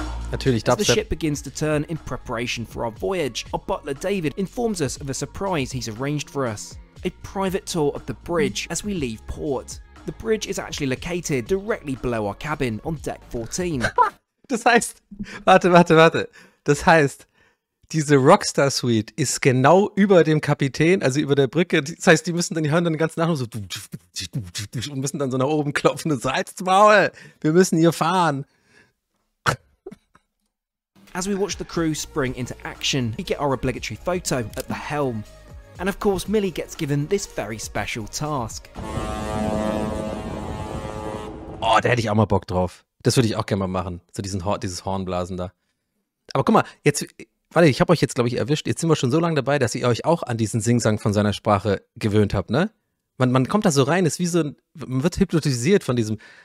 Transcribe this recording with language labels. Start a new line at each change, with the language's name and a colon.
German: Natürlich,
English: as the ship begins to turn in preparation for our voyage, our butler David informs us of a surprise he's arranged for us. A private tour of the bridge as we leave port. The bridge is actually located directly below our cabin on deck 14.
German: Das heißt, warte. Das heißt, diese Rockstar Suite ist genau über dem Kapitän, also über der Brücke. Das heißt, die müssen dann, die hören dann die ganze Nacht so und müssen dann so nach oben klopfen und sagen, halt's Maul, wir müssen hier fahren.
English: As we watch the crew spring into action, we get our obligatory photo at the helm. And of course, Millie gets given this very special task.
German: Oh, da hätte ich auch mal Bock drauf. Das würde ich auch gerne mal machen. So dieses Hornblasen da. Aber guck mal, jetzt, warte, ich habe euch jetzt, glaube ich, erwischt. Jetzt sind wir schon so lange dabei, dass ihr euch auch an diesen Singsang von seiner Sprache gewöhnt habt, ne? Man kommt da so rein, ist wie so ein, man wird hypnotisiert von diesem.